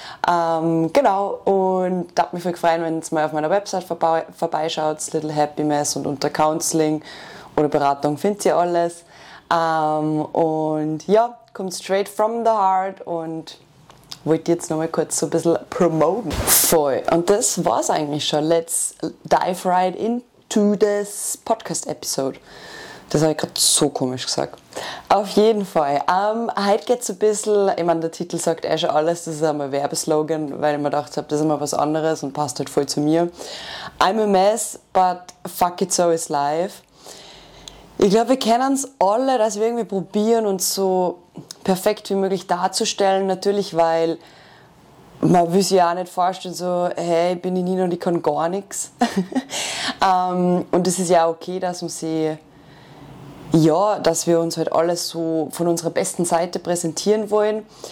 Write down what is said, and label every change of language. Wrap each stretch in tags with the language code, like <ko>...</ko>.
<de>Genau, und da hat mich voll gefreut, wenn es mal auf meiner Website vorbeischaut, Little Happy Mess, und unter Counseling oder Beratung findet ihr alles. Und ja, kommt</de> <en>straight from the heart</en> <de>und wollte jetzt nochmal kurz so ein bisschen promoten. Voll. Und das war's eigentlich schon.</de> <en>Let's dive right into this podcast episode.</en> <de>Das habe ich gerade so komisch gesagt. Auf jeden Fall. Heute geht es ein bisschen, ich meine, der Titel sagt eh schon alles, das ist einmal ein Werbeslogan, weil ich mir gedacht habe, das ist einmal was anderes und passt halt voll zu mir.</de> <en>I'm a mess, but fuck it, so is life.</en> <de>Ich glaube, wir kennen es alle, dass wir irgendwie probieren, uns so perfekt wie möglich darzustellen. Natürlich, weil man will sich ja auch nicht vorstellen, so, hey, ich bin die Nina und ich kann gar nichts. und es ist ja okay, dass man sich... Ja, dass wir uns halt alles so von unserer besten Seite präsentieren wollen.</de>